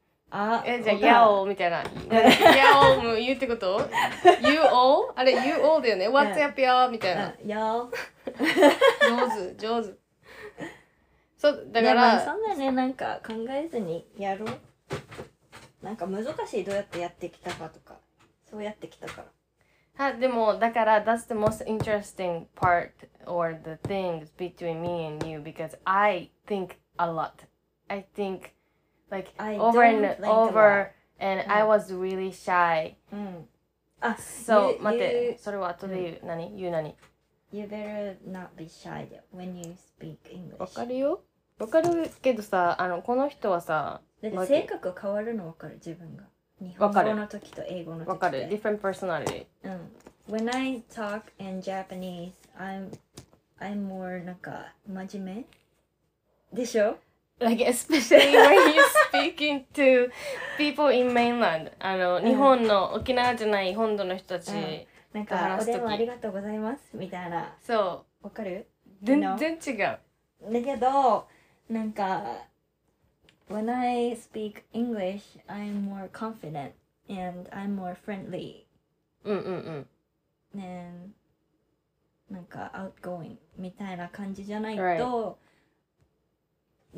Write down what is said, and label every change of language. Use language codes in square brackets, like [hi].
[ja] あえじゃあ Yao みたいな。Yao も言うってこと ？You all あれ You all だよね ？ [en] What's up Yao [ja] みたいな。 [en] Yao [ja] 上手上手そう、だから、そんなね、なんか考えずにやろう。なんか難しい、どうやってやってきたかとか。そうやってきたから。は、でも、だから、 [en] that's the most interesting part or the things between me and you because I think a lot. I think, like, over. And I was really shy. あ、 [ja] そう、待って、それは後で言う。何？言う何？ [en] You better not be shy when you speak English. [ja] わかるよ。わかるけどさ、あの、この人はさ、だって性格変わるのわかる、自分が。日本語の時と英語の時で。わかる。 [en] Different personality. When I talk in Japanese, I'm more [ja] なんか真面目でしょ？ [en] Like especially when you speaking to people in mainland. [ja] あの、日本の、沖縄じゃない本土の人たち。なんか、お電話ありがとうございますみたいな。そう。わかる？全然違う。だけど、なんか、 [en] When I speak English, I'm more confident and I'm more friendly. [ja] And, なんか outgoing みたいな感じじゃないと、right.